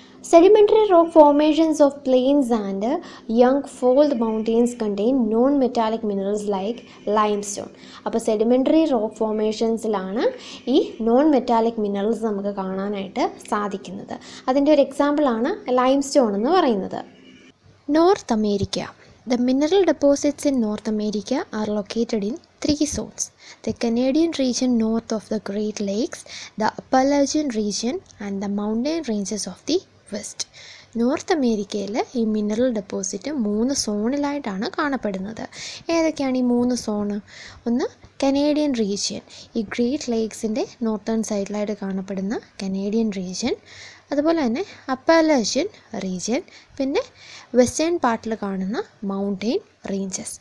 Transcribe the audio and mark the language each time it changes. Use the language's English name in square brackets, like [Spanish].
[English] Sedimentary rock formations of plains and young fold mountains contain non metallic minerals like lime stone. [Malayalam] അപ്പോൾ sedimentary rock ഫോർമേഷൻസിലാണ് ഈ non metallic minerals നമുക്ക് കാണാനായിട്ട് സാധിക്കുന്നത്. അതിൻ്റെ ഒരു എക്സാമ്പിളാണ് ലൈം സ്റ്റോൺ എന്ന് പറയുന്നത്. North America. [English] The mineral deposits in North America are located in three zones: the Canadian region north of the Great Lakes, the Appalachian region, and the mountain ranges of the West. [Malayalam] North അമേരിക്കയിലെ ഈ mineral deposit മൂന്ന് സോണിലായിട്ടാണ് കാണപ്പെടുന്നത്. ഏതൊക്കെയാണ് ഈ മൂന്ന് zone? ഒന്ന് Canadian region, ഈ great ലേക്സിൻ്റെ northern സൈഡിലായിട്ട് കാണപ്പെടുന്ന കനേഡിയൻ റീജിയൻ, അതുപോലെ തന്നെ അപ്പലേഷ്യൻ റീജിയൻ, പിന്നെ വെസ്റ്റേൺ പാർട്ടിൽ കാണുന്ന മൗണ്ടെയിൻ റേഞ്ചസ്.